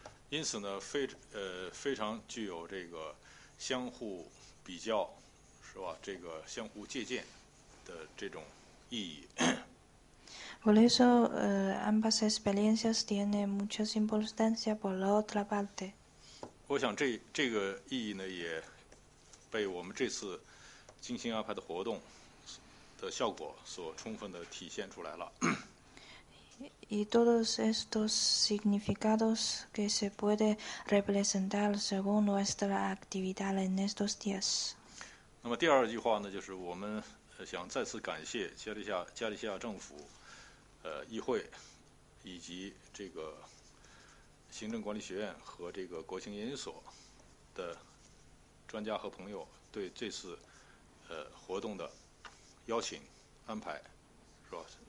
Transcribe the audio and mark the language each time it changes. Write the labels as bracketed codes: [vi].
[zh] 因此呢，非常具有这个相互比较，是吧？这个相互借鉴的这种意义。 [es] Por eso, ambas experiencias tienen mucha importancia por la otra parte. [zh] 我想这个意义呢，也被我们这次精心安排的活动的效果所充分的体现出来了。 [es] Y todos estos significados que se puede representar según nuestra actividad en estos días. [zh] 那么第二句话呢，就是我们想再次感谢加利西亚政府。议会以及这个行政管理学院和这个国情研究所的专家和朋友对这次活动的邀请安排，是吧？